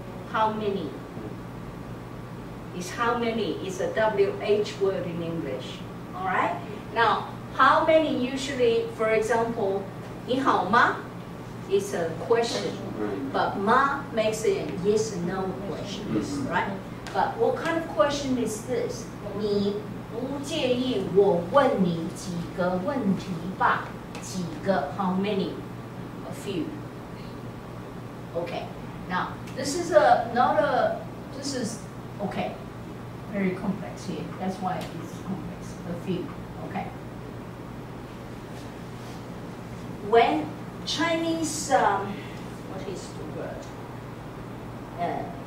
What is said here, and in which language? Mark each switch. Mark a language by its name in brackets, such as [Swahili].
[English] How many? Is how many is a WH word in English. Alright? Now, how many usually, for example, [Chinese] 你好吗? [English] Is a question. But ma makes it a yes or no question. Right? But what kind of question is this? [Chinese] 你不介意我问你几个问题吧? 几个, [English] how many? A few. Okay. Now, this is a, not a, this is, okay. Very complex here. That's why it's complex. A few. Okay. When Chinese, what is the word?